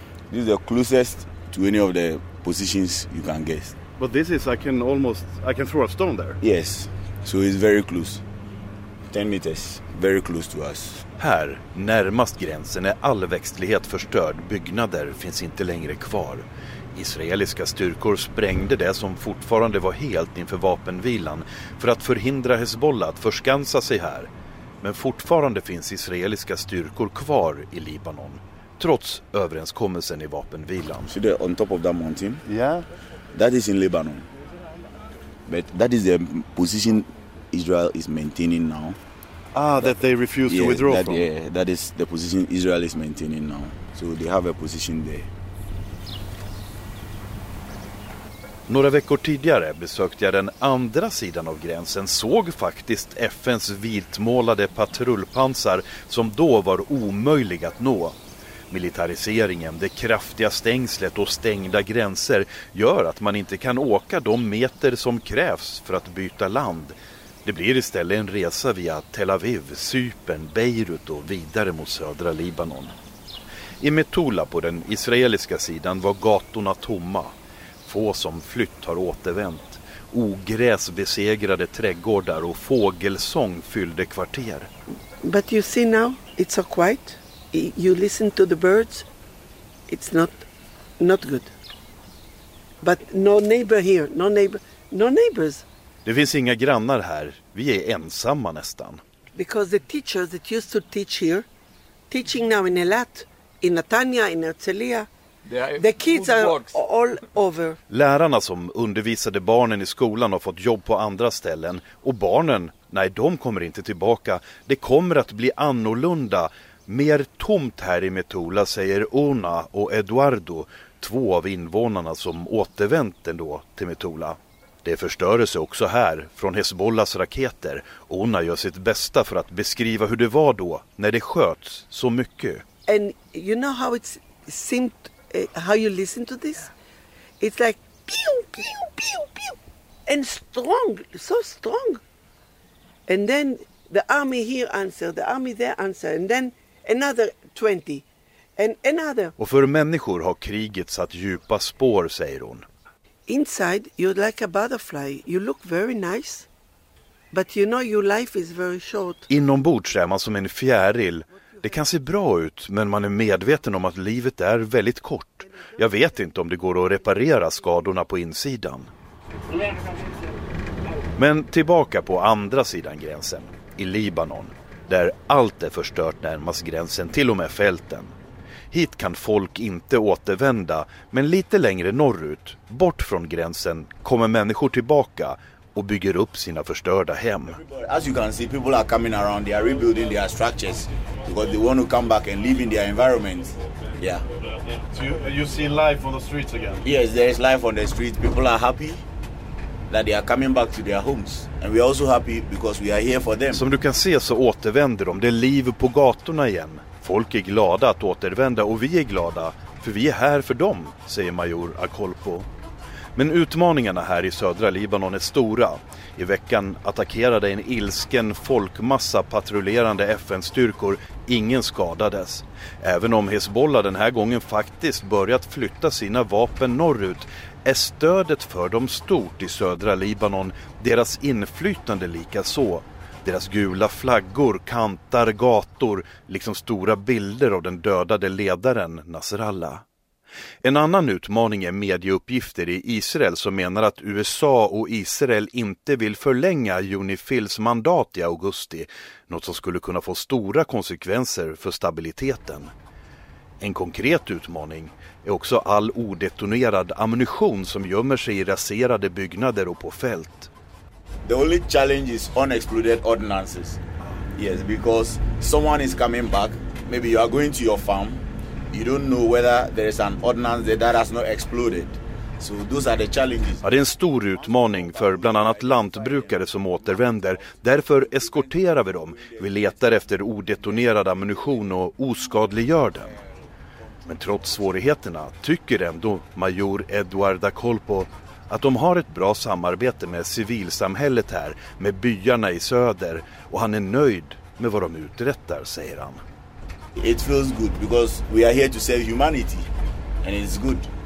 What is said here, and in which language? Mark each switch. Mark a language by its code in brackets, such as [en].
[en] This is the closest to any of the positions you can guess. But this is, I can throw a stone there. Yes, so it's very close. 10 meters, very close to us. [sv] Här, närmast gränsen, är all växtlighet förstörd. Byggnader finns inte längre kvar. Israeliska styrkor sprängde det som fortfarande var helt inför vapenvilan för att förhindra Hezbollah att förskansa sig här. Men fortfarande finns israeliska styrkor kvar i Libanon, trots överenskommelsen i vapenvilan. [en] See the, on top of that mountain? Yeah. That is in Lebanon. But that is the position Israel is maintaining now. Ah, that they refuse to withdraw that, from. Yeah, that is the position Israel is maintaining now. So they have a position there. [sv] Några veckor tidigare besökte jag den andra sidan av gränsen, såg faktiskt FN:s vitmålade patrullpansar som då var omöjliga att nå. Militariseringen, det kraftiga stängslet och stängda gränser gör att man inte kan åka de meter som krävs för att byta land. Det blir istället en resa via Tel Aviv, Cypern, Beirut och vidare mot södra Libanon. I Metula på den israeliska sidan var gatorna tomma. Få som flytt har återvänt. Ogräs besegrade trädgårdar och fågelsång fyllde kvarter. [en] But you see now, it's so quiet. You listen to the birds, It's not good. But no neighbor here, no neighbors. [sv] Det finns inga grannar här. Vi är ensamma nästan. [en] Because the teachers that used to teach here, teaching now in Elat, in Natanya, in Herzliya, the kids are all over. [sv] Lärarna som undervisade barnen i skolan har fått jobb på andra ställen. Och barnen, nej, de kommer inte tillbaka. Det kommer att bli annorlunda. Mer tomt här i Metula, säger Ona och Eduardo, två av invånarna som återvänt ändå till Metula. Det förstörde sig också här från Hezbollahs raketer. Ona gör sitt bästa för att beskriva hur det var då när det sköts så mycket. [en] And you know how it seemed, how you listen to this? It's like pew pew pew pew and strong, so strong. And then the army here answer, the army there answer, and then another 20 and another. [sv] Och för människor har kriget satt djupa spår, säger hon. [en] Inside you're like a butterfly. You look very nice. But you know your life is very short. [sv] Inombords är man som en fjäril. Det kan se bra ut, men man är medveten om att livet är väldigt kort. Jag vet inte om det går att reparera skadorna på insidan. Men tillbaka på andra sidan gränsen, i Libanon, där allt är förstört närmast gränsen, till och med fälten. Hit kan folk inte återvända, men lite längre norrut, bort från gränsen, kommer människor tillbaka och bygger upp sina förstörda hem. [en] As you can see, people are coming around, they are rebuilding their structures because they want to come back and live in their environment. Yeah. So you see life on the streets again? Yes, there is life on the streets. People are happy that they are coming back to their homes. And we are also happy because we are here for them. [sv] Som du kan se så återvänder de. Det är liv på gatorna igen. Folk är glada att återvända och vi är glada för vi är här för dem, säger major Akolpo. Men utmaningarna här i södra Libanon är stora. I veckan attackerade en ilsken folkmassa patrullerande FN-styrkor. Ingen skadades. Även om Hezbollah den här gången faktiskt börjat flytta sina vapen norrut är stödet för dem stort i södra Libanon, deras inflytande lika så. Deras gula flaggor kantar gator, liksom stora bilder av den dödade ledaren Nasrallah. En annan utmaning är medieuppgifter i Israel som menar att USA och Israel inte vill förlänga UNIFILs mandat i augusti, något som skulle kunna få stora konsekvenser för stabiliteten. En konkret utmaning är också all odetonerad ammunition som gömmer sig i raserade byggnader och på fält. [en] The only challenge is unexploded ordnances. Yes, because someone is coming back, maybe you are going to your farm. You don't know whether there is an ordnance there that has not exploded. So those are the challenges. [sv] Ja, det är en stor utmaning för bland annat lantbrukare som återvänder. Därför eskorterar vi dem. Vi letar efter odetonerad ammunition och oskadliggör den. Men trots svårigheterna tycker ändå major Eduardo Colpo att de har ett bra samarbete med civilsamhället här, med byarna i söder, och han är nöjd med vad de uträttar, säger han. [en] It feels good because we are here to save humanity and it's good.